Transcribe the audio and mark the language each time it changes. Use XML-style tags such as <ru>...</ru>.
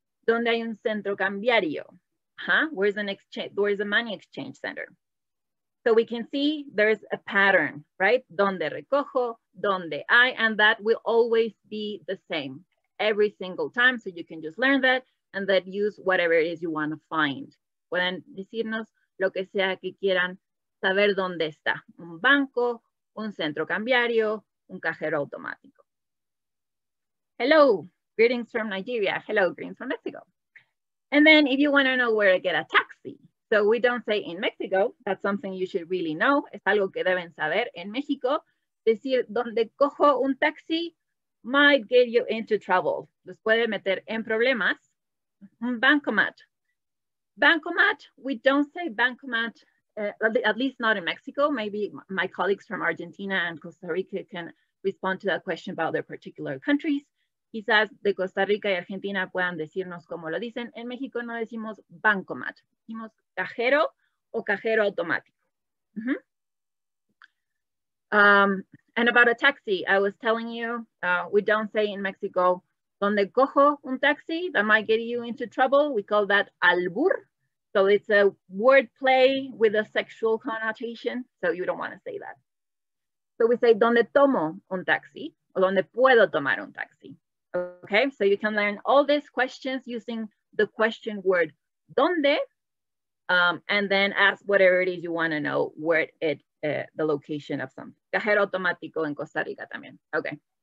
<es>¿Dónde hay un centro cambiario?</es> <en>Huh? Where's an exchange? Where's a money exchange center? So we can see there's a pattern, right? Donde recojo, donde I, and that will always be the same every single time. So you can just learn that and then use whatever it is you want to find.</en> <es>Pueden decirnos lo que sea que quieran saber dónde está. Un banco, un centro cambiario, un cajero automático.</es> <en>Hello, greetings from Nigeria. Hello, greetings from Mexico. And then if you want to know where to get a taxi. So we don't say in Mexico, that's something you should really know.</en> <es>Es algo que deben saber en México. Decir dónde cojo un taxi</es> <en>might get you into trouble.</en> <es>Los puede meter en problemas. Un bancomat.</es> <en>Bancomat, we don't say bancomat, at least not in Mexico. Maybe my colleagues from Argentina and Costa Rica can respond to that question about their particular countries.</en> <es>Quizás de Costa Rica y Argentina puedan decirnos cómo lo dicen. En México no decimos bancomat, decimos cajero o cajero automático. Mm-hmm.</es> <en>And about a taxi, I was telling you, we don't say in Mexico,</en> <es>donde cojo un taxi,</es> <en>that might get you into trouble. We call that albur. So it's a wordplay with a sexual connotation. So you don't want to say that. So we say,</en> <es>donde tomo un taxi,</es> <en>o donde puedo tomar un taxi. Okay, so you can learn all these questions using the question word donde, and then ask whatever it is you want to know where it the location of some cajero automático</en> <es>en Costa Rica también.</es> <en>Okay.</en>